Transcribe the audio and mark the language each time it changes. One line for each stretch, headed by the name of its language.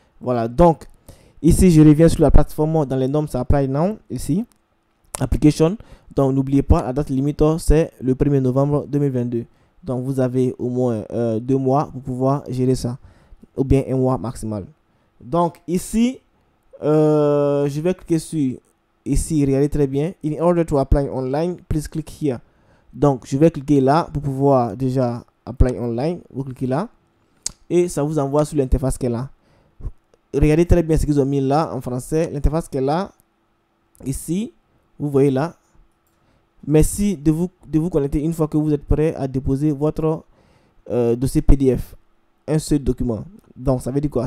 French: Voilà, donc ici, je reviens sur la plateforme dans les normes, ça apply now ici. Application. Donc, n'oubliez pas, la date limite, c'est le 1er novembre 2022. Donc, vous avez au moins 2 mois pour pouvoir gérer ça, ou bien 1 mois maximal. Donc, ici, je vais cliquer sur ici, regardez très bien.
English: In order to apply online, please click here.
French: Donc, je vais cliquer là pour pouvoir déjà
English: apply online.
French: Vous cliquez là et ça vous envoie sur l'interface qu'elle a. Regardez très bien ce qu'ils ont mis là en français. L'interface qu'elle a ici, vous voyez là. Merci de vous connecter une fois que vous êtes prêt à déposer votre dossier PDF. Un seul document. Donc, ça veut dire quoi?